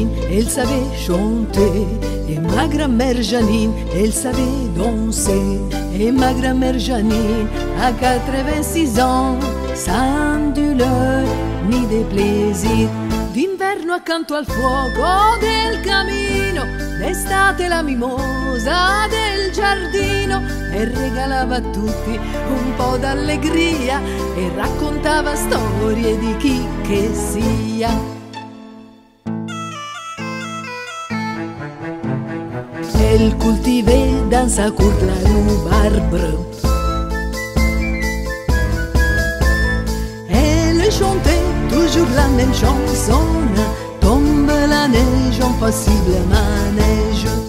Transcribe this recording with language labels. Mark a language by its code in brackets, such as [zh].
[fr] Elle savait chanter, et ma grand-mère Janine, elle savait danser, et ma grand-mère Janine, à 86 ans, sans douleur ni déplaisir. [it] D'inverno accanto al fuoco del camino, d'estate la mimosa del giardino, e regalava a tutti un po' d'allegria, e raccontava storie di chi che sia. [fr] Elle cultivait dans sa cour de la rhubarbe. Elle chantait toujours la même chanson. Tombe la neige, impossible manège.